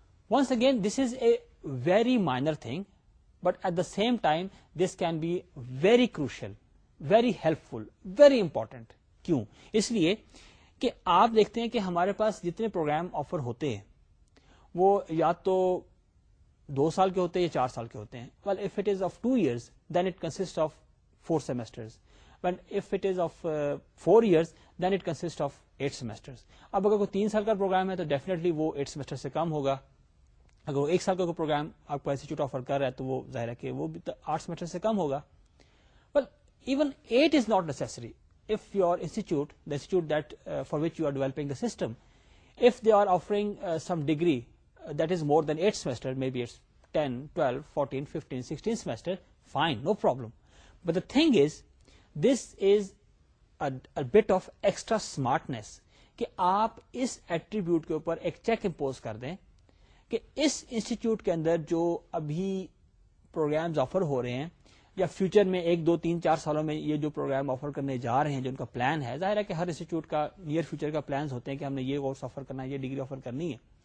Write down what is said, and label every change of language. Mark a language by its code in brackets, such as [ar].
[en] Once again this is a very minor thing, but at the same time this can be very crucial, very helpful, very important. [ur] کیوں؟ اس لیے کہ آپ دیکھتے ہیں کہ ہمارے پاس جتنے پروگرام آفر ہوتے ہیں وہ یا تو 2 سال کے ہوتے ہیں یا 4 سال کے ہوتے ہیں. [en] Well, if it is of 2 years then it consists of 4 semesters, when if it is of 4 years then it consists of 8 semesters. [ur] اب اگر کوئی 3 سال کا پروگرام ہے تو ڈیفینیٹلی وہ 8 semester سے کم ہوگا. اگر وہ 1 سال کا کوئی پروگرام آپ کو انسٹیٹیوٹ آفر کر رہا ہے تو وہ ظاہر ہے کہ وہ بھی 8 سیمسٹر سے کم ہوگا. [en] But even 8 is not necessary of your institute the institute that for which you are developing the system if they are offering some degree that is more than 8 semester, may be it's 10, 12, 14, 15, 16 semester, fine, no problem. But the thing is this is bit of extra smartness [ur] کہ آپ اس attribute کے اوپر ایک check impose کر دیں کہ اس institute کے اندر جو ابھی پروگرامز آفر ہو رہے ہیں یا فیوچر میں 1, 2, 3, 4 سالوں میں یہ جو پروگرام آفر کرنے جا رہے ہیں, جو ان کا پلان ہے, ظاہر ہے کہ ہر انسٹیٹیوٹ کا نیئر فیوچر کا پلانز ہوتے ہیں کہ ہم نے یہ کورس آفر کرنا ہے, یہ ڈگری آفر کرنی ہے.